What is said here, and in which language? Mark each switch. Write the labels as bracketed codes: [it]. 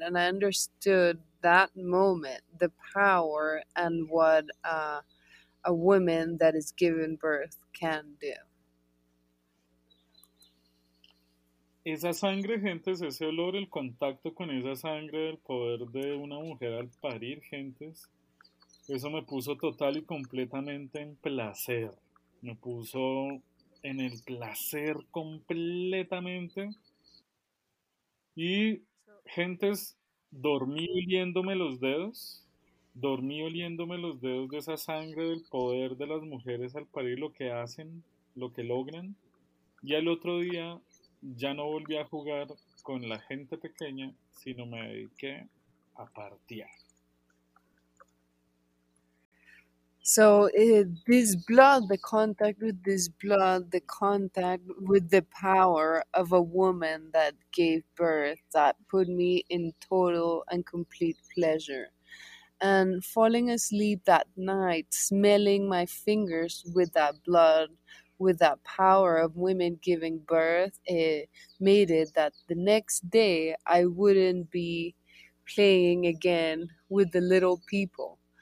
[en] And I understood that moment, the power and what a woman that is given birth can do. [es] Esa sangre, gentes, ese olor, el contacto con esa sangre, el poder de una mujer al parir, gentes, eso me puso total y completamente en placer. Me puso en el placer completamente. Y, gentes, dormí oliéndome los dedos de esa sangre, del poder de las mujeres al parir, lo que hacen, lo que logran. Y al otro día ya no volví a jugar con la gente pequeña, sino me dediqué a partear. [en] So this blood, the contact with this blood, the contact with the power of a woman that gave birth, that put me in total and complete pleasure. And falling asleep that night, smelling my fingers with that blood, with that power of women giving birth, it made it that the next day I wouldn't be playing again with the little people.